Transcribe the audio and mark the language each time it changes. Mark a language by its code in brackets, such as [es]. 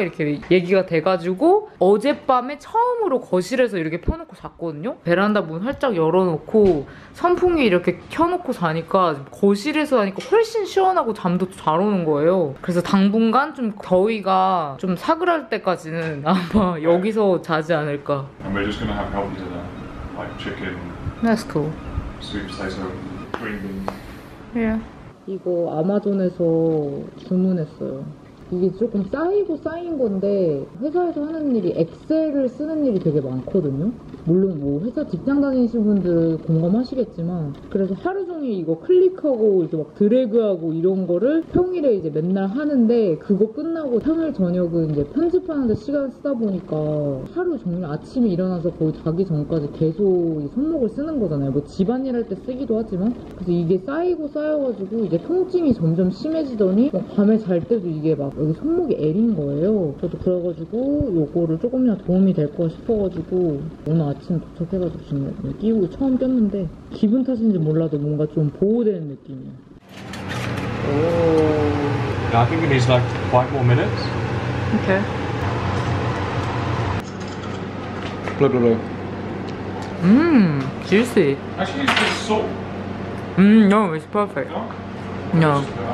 [ko] 이렇게 얘기가 돼가지고 어젯밤에 처음으로 거실에서 이렇게 펴놓고 잤거든요. 베란다 문 활짝 열어놓고 선풍기 이렇게 켜놓고 자니까 거실에서 자니까 훨씬 시원하고 잠도 잘 오는 거예요. 그래서 당분간 좀 더위가 좀 사그랄 때까지는 아마 여기서 자지 않을까. [en] And we're just gonna have healthy dinner, like chicken. That's cool. Sweet potato, green beans. Yeah. [ko] 이거 아마존에서 주문했어요. 이게 조금 쌓이고 쌓인 건데 회사에서 하는 일이 엑셀을 쓰는 일이 되게 많거든요. 물론 뭐 회사 직장 다니신 분들 공감하시겠지만 그래서 하루 종일 이거 클릭하고 이제 막 드래그하고 이런 거를 평일에 이제 맨날 하는데 그거 끝나고 평일 저녁은 이제 편집하는데 시간 쓰다 보니까 하루 종일 아침에 일어나서 거의 자기 전까지 계속 이 손목을 쓰는 거잖아요. 뭐 집안일 할 때 쓰기도 하지만 그래서 이게 쌓이고 쌓여가지고 이제 통증이 점점 심해지더니 막 밤에 잘 때도 이게 막 여기 손목이 애린 거예요. 저도 그래가지고 요거를 조금이나 도움이 될 거 싶어가지고 오늘 아침 도착해가지고 지금 끼우고 처음 꼈는데 기분 탓인지 몰라도 뭔가 좀 보호되는 느낌이야. 오. [en] Yeah, I think it needs like five more minutes. Okay. Blah blah blah. Juicy. Actually, it's just salt. No, it's perfect. No.